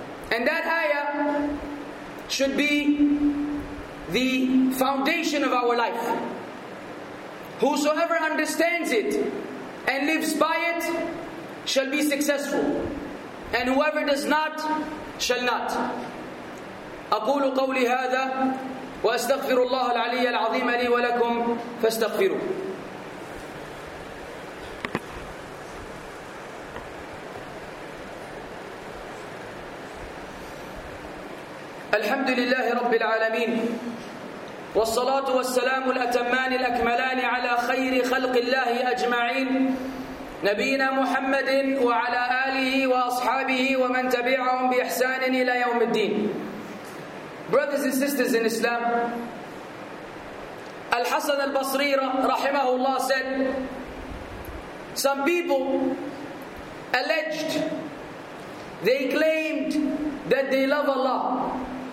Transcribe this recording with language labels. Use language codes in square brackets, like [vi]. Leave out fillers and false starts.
[en] And that ayah should be the foundation of our life. Whosoever understands it and lives by it shall be successful, and whoever does not shall not. [ar] أقول قولي هذا وأستغفر الله العلي العظيم لي ولكم فاستغفروا. الحمد لله رب العالمين والصلاة والسلام الأتمان الأكملان على خير خلق الله أجمعين نبينا محمد وعلى آله وأصحابه ومن تبعهم بإحسان إلى يوم الدين. [en] Brothers and sisters in Islam, Al-Hasan al-Basri rahimahullah said, some people alleged, they claimed that they love Allah.